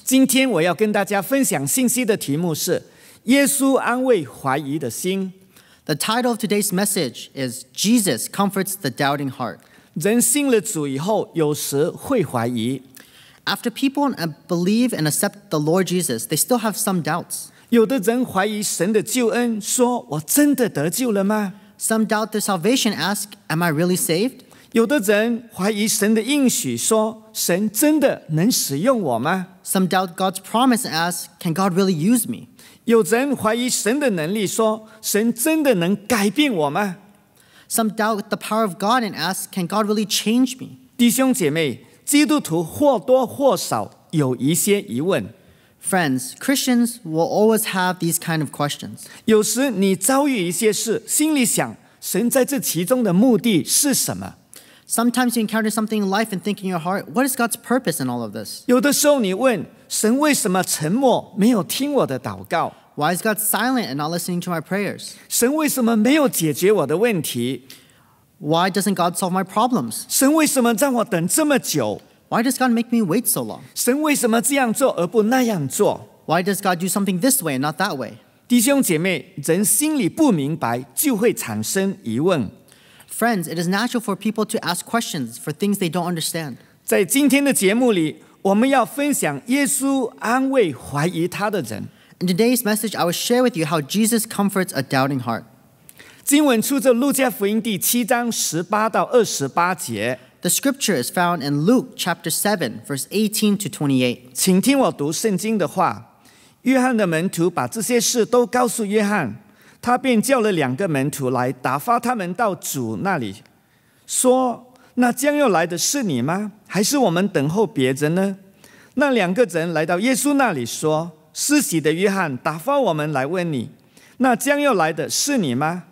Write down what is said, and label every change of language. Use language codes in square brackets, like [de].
[zh] 今天我要跟大家分享信息的题目是耶稣安慰怀疑的心。 [en] The title of today's message is Jesus Comforts the Doubting Heart. [zh] 人信了主以后有时会怀疑。 [en] After people believe and accept the Lord Jesus, they still have some doubts. [zh] 有的人怀疑神的救恩，说我真的得救了吗？ [en] Some doubt their salvation, ask, am I really saved? [zh] 有的人怀疑神的应许，说神真的能使用我吗？ [en] Some doubt God's promise, ask, can God really use me? [zh] 有人怀疑神的能力，说神真的能改变我吗？ [en] Some doubt the power of God and ask, can God really change me? [zh] 弟兄姐妹，基督徒或多或少有一些疑问。 [en] Friends, Christians will always have these kind of questions. [zh] 有时你遭遇一些事，心里想，神在这其中的目的是什么？ [en] Sometimes you encounter something in life and think in your heart, what is God's purpose in all of this? [zh] 有的时候你问，神为什么沉默，没有听我的祷告？ [en] Why is God silent and not listening to my prayers? [zh] 神为什么没有解决我的问题？ [en] Why doesn't God solve my problems? [zh] 神为什么让我等这么久？ [en] Why does God make me wait so long? [zh] 神为什么这样做而不那样做？ [en] Why does God do something this way and not that way? [zh] 弟兄姐妹，人心里不明白，就会产生疑问。 [en] Friends, it is natural for people to ask questions for things they don't understand. [zh] 在今天的节目里，我们要分享耶稣安慰怀疑他的人。 [en] In today's message, I will share with you how Jesus comforts a doubting heart. [zh] 经文出自路加福音第七章十八到二十八节。 [en] The scripture is found in Luke chapter 7, verse 18 to 28. [zh] 请听我读圣经的话。约翰的门徒把这些事都告诉约翰，他便叫了两个门徒来打发他们到主那里，说，那将要来的是你吗？还是我们等候别人呢？那两个人来到耶稣那里说，施洗的约翰打发我们来问你，那将要来的是你吗？